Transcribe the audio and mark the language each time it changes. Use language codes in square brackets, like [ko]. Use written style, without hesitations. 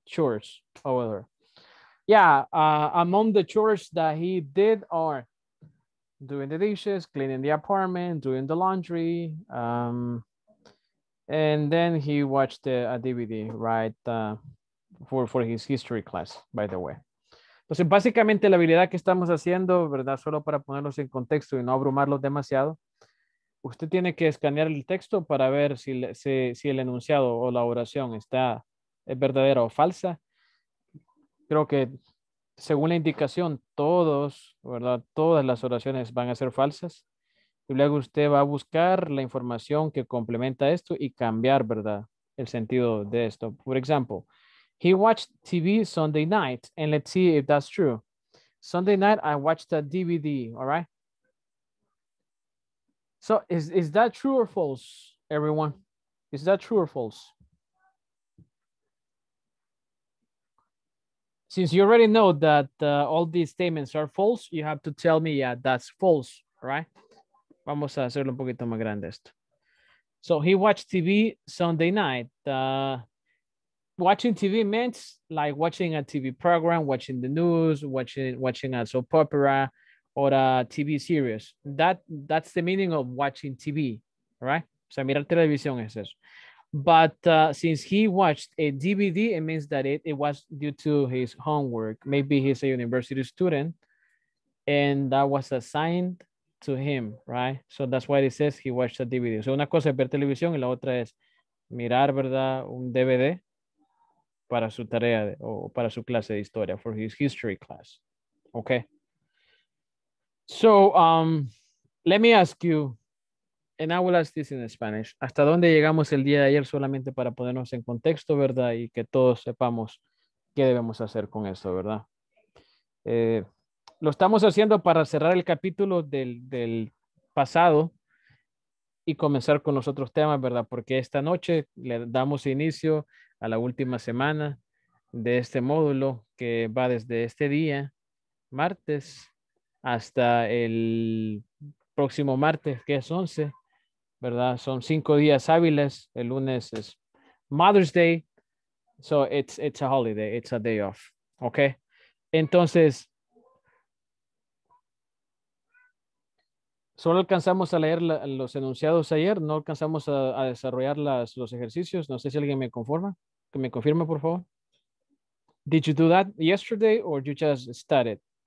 [en] Chores, however. Yeah, among the chores that he did are doing the dishes, cleaning the apartment, doing the laundry, and then he watched a DVD, right? For his history class, by the way. [es] Entonces, básicamente la habilidad que estamos haciendo, ¿verdad? Solo para ponerlos en contexto y no abrumarlos demasiado. Usted tiene que escanear el texto para ver si el enunciado o la oración es verdadera o falsa. Creo que según la indicación, todas las oraciones van a ser falsas. Y luego usted va a buscar la información que complementa esto y cambiar, ¿verdad? El sentido de esto. Por ejemplo, [en] he watched TV Sunday night, and let's see if that's true. Sunday night, I watched a DVD, all right? So is that true or false, everyone? Is that true or false? Since you already know that all these statements are false, you have to tell me, yeah, that's false, right? [es] Vamos a hacerlo un poquito más grande esto. [en] So he watched TV Sunday night. Watching TV means like watching a TV program, watching the news, watching a soap opera or a TV series. That's the meaning of watching TV, right? [es] O sea, mirar televisión es eso. [en] But since he watched a DVD, it means that it was due to his homework. Maybe he's a university student and that was assigned to him, right? So that's why it says he watched a DVD. [es] So una cosa es ver televisión y la otra es mirar, ¿verdad? Un DVD para su tarea o para su clase de historia, [en] for his history class, okay? So let me ask you, and I will ask this in Spanish. [es] ¿Hasta dónde llegamos el día de ayer solamente para ponernos en contexto, verdad? Y que todos sepamos qué debemos hacer con esto, ¿verdad? Lo estamos haciendo para cerrar el capítulo del pasado y comenzar con los otros temas, ¿verdad? Porque esta noche le damos inicio a la última semana de este módulo que va desde este día, martes, hasta el próximo martes, que es 11. ¿Verdad? Son 5 días hábiles. El lunes es Mother's Day. [en] So it's a holiday. It's a day off. Okay. [es] Entonces, solo alcanzamos a leer los enunciados ayer. No alcanzamos a desarrollar los ejercicios. No sé si alguien me confirma, por favor. [en] Did you do that yesterday or you just started?